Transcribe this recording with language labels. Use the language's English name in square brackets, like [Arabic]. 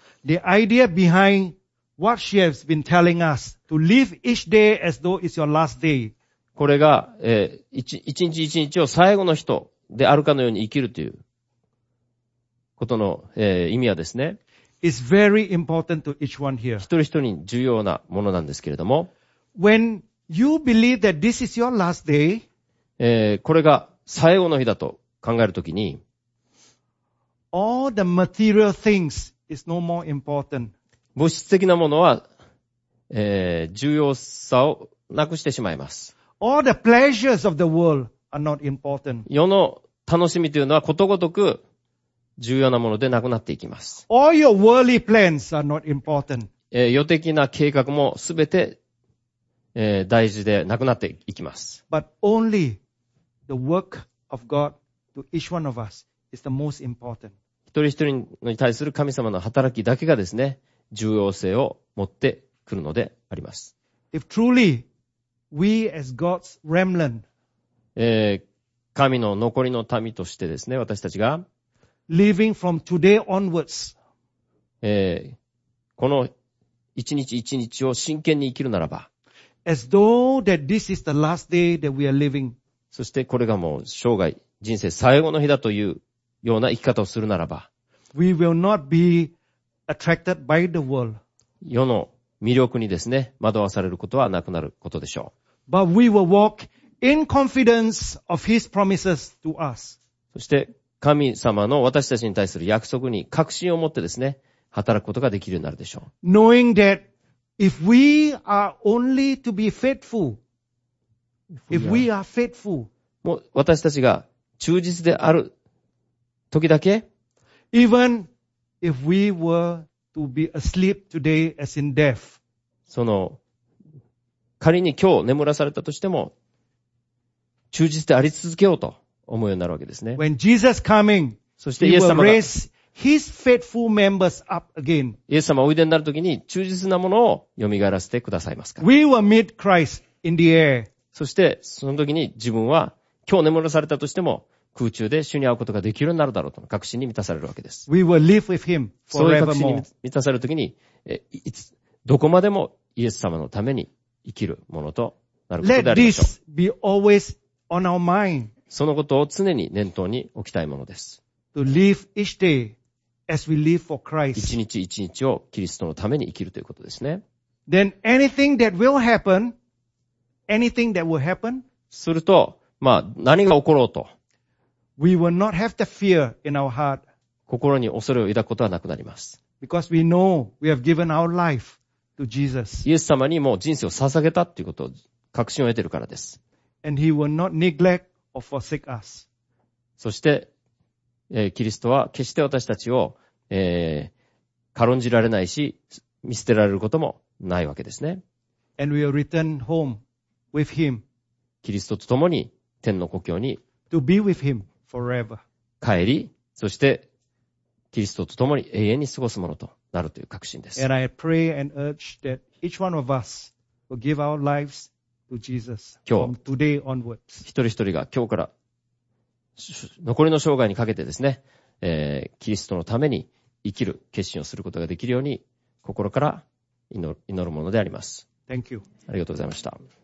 [English] The idea behind what she has been telling us, to live each day as though it's your last day. [Japanese] これが、一日一日を最後の人であるかのように生きるということの、意味はですね。 [English] It's very important to each one here. [Japanese] 一人一人に重要なものなんですけれども。 [English] When you believe that this is your last day, [Japanese] これが最後の日だと考えるときに、 [English] All the material things is no more important. [Japanese] 物質的なものは、重要さをなくしてしまいます。 [English] All the pleasures of the world are not important. [Japanese] 世の楽しみというのはことごとく重要なものでなくなっていきます。 [English] All your worldly plans are not important. [Japanese] 世的な計画もすべて、大事でなくなっていきます。 [English] But only the work of God to each one of us is the most important. [Japanese] 一人一人に対する神様の働きだけがですね、重要性を持ってくるのであります。 [English] If truly we as God's remnant, [Japanese] 神の残りの民としてですね、私たちが [English] living from today onwards, [Japanese] この一日一日を真剣に生きるならば、 [English] as though that this is the last day that we are living, [Japanese] そしてこれがもう生涯、人生最後の日だというような生き方をするならば、 [English] we will not be attracted by the world. [Japanese] 世の魅力にですね、惑わされることはなくなることでしょう。 [English] But we will walk in confidence of His promises to us. [Japanese] そして神様の私たちに対する約束に確信を持ってですね、働くことができるようになるでしょう。 [English] Knowing that if we are only to be faithful, if we are faithful, [Japanese] もう私たちが忠実である時だけ、 [English] even if we were to be asleep today as in death, [Japanese] その仮に今日眠らされたとしても、忠実であり続けようと思うようになるわけですね。 [English] When Jesus coming, [Japanese] そしてイエス様が、 [English] He will raise His faithful members up again. [Japanese] イエス様おいでになるときに、忠実なものを蘇らせてくださいますから。 [English] We will meet Christ in the air. [Japanese] そしてそのときに自分は今日眠らされたとしても、空中で主に会うことができるようになるだろうと確信に満たされるわけです。 [English] We will live with Him forevermore. [Japanese] そういう確信に満たされるときに、いつ、どこまでもイエス様のために、生きるものとなることでありましょう。 [English] Let this be always on our mind. [Japanese] そのことを常に念頭に置きたいものです。 [English] To live each day as we live for Christ. [Japanese] 一日一日をキリストのために生きるということですね。 [English] Then anything that will happen, anything that will happen, [Japanese] すると、まあ何が起ころうと、 [English] we will not have the fear in our heart. [Japanese] 心に恐れを抱くことはなくなります。 [English] Because we know we have given our life. To Jesus. [Japanese] イエス様にもう人生を捧げたということを確信を得ているからです。 [English] And he will not neglect or forsake us. [Japanese] そして、キリストは決して私たちを、軽んじられないし、見捨てられることもないわけですね。 [English] And we will return home with him. [Japanese] キリストと共に天の故郷に [English] to be with him forever. [Japanese] 帰り、そしてキリストと共に永遠に過ごすものと。なるという確信です。 [English] And I pray and urge that each one of us will give our lives to Jesus from today onwards. [Japanese] 一人一人が今日から残りの生涯にかけてですね、キリストのために生きる決心をすることができるように心から祈るものであります。 [English] Thank you. [Japanese] ありがとうございました。